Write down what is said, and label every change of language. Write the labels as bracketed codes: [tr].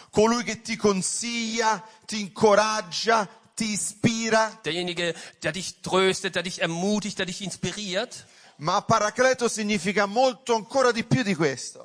[it] Colui che ti consiglia, ti incoraggia, ti ispira. [de] Derjenige, der dich tröstet, der dich ermutigt, der dich inspiriert. [it] Ma paracleto significa molto ancora di più di questo.